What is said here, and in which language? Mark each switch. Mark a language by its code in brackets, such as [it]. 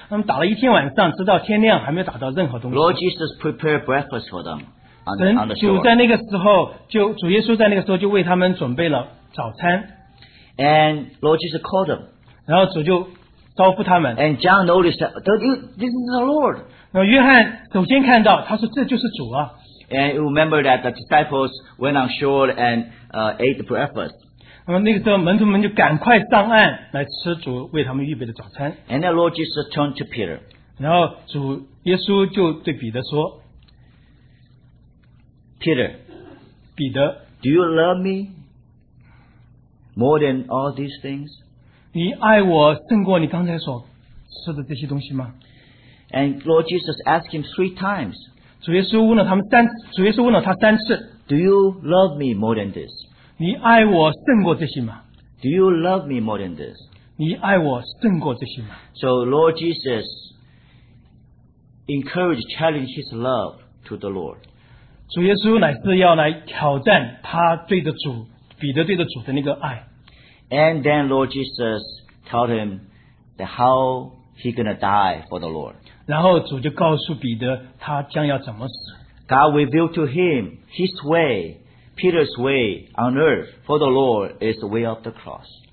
[zh] 当这些门徒们在海上打鱼，因为海上打鱼的时候常常是在晚上做，他们打了一天晚上，直到天亮还没有打到任何东西。 [en] Lord Jesus prepared breakfast for them on the shore. [zh] 主在那个时候就为他们准备了早餐。 [en] And Lord Jesus called them. [zh] 然后主就招呼他们。 [en] And John noticed that this is the Lord. [zh] 约翰首先看到，他说这就是主啊。 [en] And you remember that the disciples went on shore and ate the breakfast. [zh] 那么那个时候门徒们就赶快上岸来吃主为他们预备的早餐。 [en] And then Lord Jesus turned to Peter. [zh] 然后主耶稣就对彼得说, [en] Peter, [zh] 彼得, [en] do you love me more than all these things? [zh] 你爱我胜过你刚才所吃的这些东西吗? [en] And Lord Jesus asked him 3 times. [zh] 主耶稣问了他三次, [en] do you love me more than this? [zh] 你爱我胜过这些吗? [en] Do you love me more than this? [zh] 你爱我胜过这些吗? [en] So Lord Jesus encouraged, challenged his love to the Lord. [zh] 主耶稣乃是要来挑战他对着主,彼得对着主的那个爱。 [en] And then Lord Jesus taught him that how he's going to die for the Lord. [zh] 然后主就告诉彼得他将要怎么死。 [en] God revealed to him his way. Peter's way on earth for the Lord is the way of the cross.